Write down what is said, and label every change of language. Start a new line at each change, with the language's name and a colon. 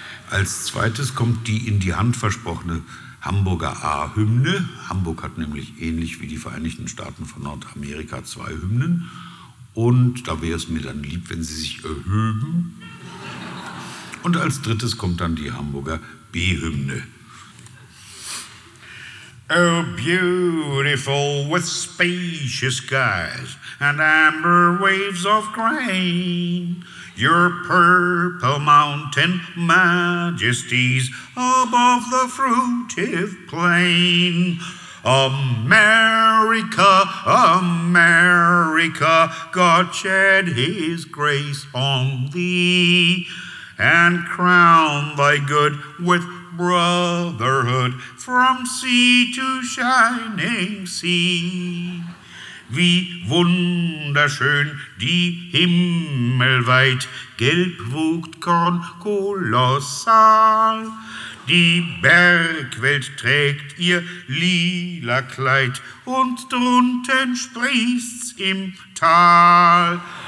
German: Als zweites kommt die in die Hand versprochene Hamburger A-Hymne. Hamburg hat nämlich ähnlich wie die Vereinigten Staaten von Nordamerika zwei Hymnen. Und da wäre es mir dann lieb, wenn sie sich erhöben. Und als drittes kommt dann die Hamburger B-Hymne.
English: Oh, beautiful with spacious skies and amber waves of grain. Your purple mountain majesties above the fruitive plain. America, America, God shed his grace on thee and crown thy good with brotherhood from sea to shining sea.
German: Wie wunderschön die himmelweit gelb wucht Korn kolossal. Die Bergwelt trägt ihr lila Kleid und drunten sprießt's im Tal.